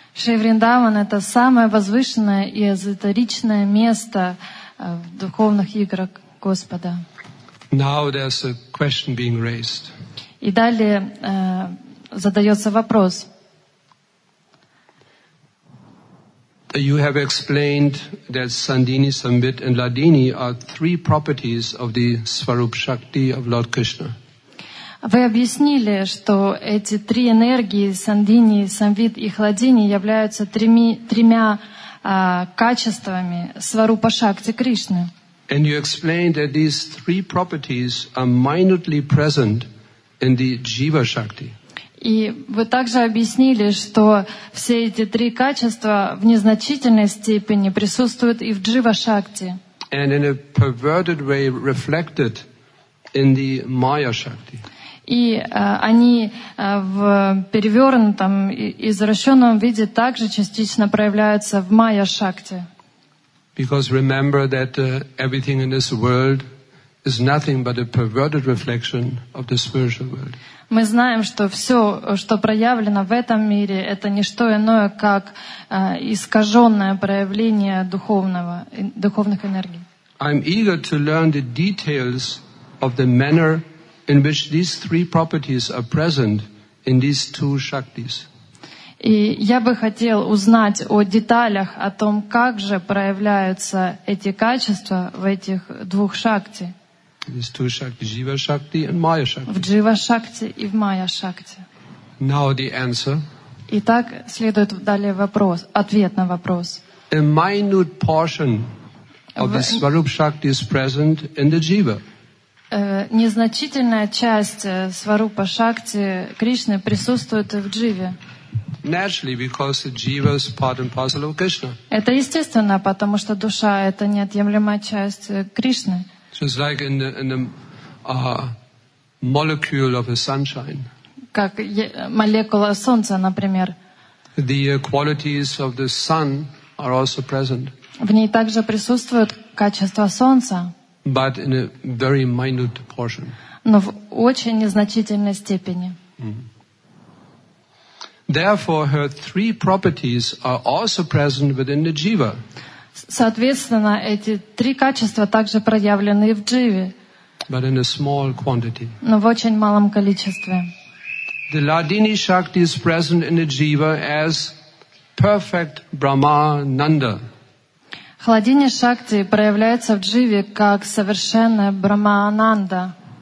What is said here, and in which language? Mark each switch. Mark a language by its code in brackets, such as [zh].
[ru] Шри Вриндаван — это самое возвышенное и эзотеричное место в духовных играх Господа. [en] Now there's a question being raised. [ru] И далее задается вопрос. [en] You have explained that Sandini, Samvit, and Ladini are three properties of the Swarup Shakti of Lord Krishna. [ru] Вы объяснили, что эти три энергии Сандини, Самвит и Ладини являются тремя качествами Сварупа Шакти Кришны. [en] And you explained that these three properties are minutely present in the Jiva Shakti. [ru] И вы также объяснили, что все эти три качества в незначительной степени присутствуют и в Джива-шакти. [en] And in a perverted way reflected in the Maya-шакти. [ru] И они в перевернутом и извращенном виде также частично проявляются в Maya-шакти. [en] Because remember that everything in this world is nothing but a perverted reflection of the spiritual world. [ru] Мы знаем, что все, что проявлено в этом мире, это не что иное, как искаженное проявление духовного, духовных энергий. [en] I'm eager to learn the details of the manner in which these three properties are present in these two shaktis. [ru] И я бы хотел узнать о деталях, о том, как же проявляются эти качества в этих двух шакти. [en] These two shakti, Jiva Shakti and Maya Shakti. [ru] В Jiva Shakti и в Maya Shakti. [en] Now the answer. [ru] Итак, следует далее вопрос, ответ на вопрос. [en] A minute portion of the Swarup Shakti is present in the Jiva. [ru] Незначительная часть Сварупа Шакти Кришны присутствует в Дживе. [en] Naturally, because the Jiva is part and parcel of Krishna. [ru] Это естественно, потому что душа — это неотъемлемая часть Кришны. [en] Just like in the molecule of a sunshine. [ru] Как молекула солнца, например. [en] The qualities of the sun are also present. [ru] В ней также присутствуют качества солнца. [en] But in a very minute portion. [ru] Но в очень незначительной степени. Mm-hmm. [en] Therefore, her three properties are also present within the jiva. [ru] Соответственно, эти три качества также проявлены и в Дживе. [en] But in a small quantity. [ru] Но в очень малом количестве. [en] The Ladini Shakti is present in the Jiva as perfect Brahma Nanda. [ru] Ладини Шакти проявляется в Дживе как совершенная Брахма Ананда.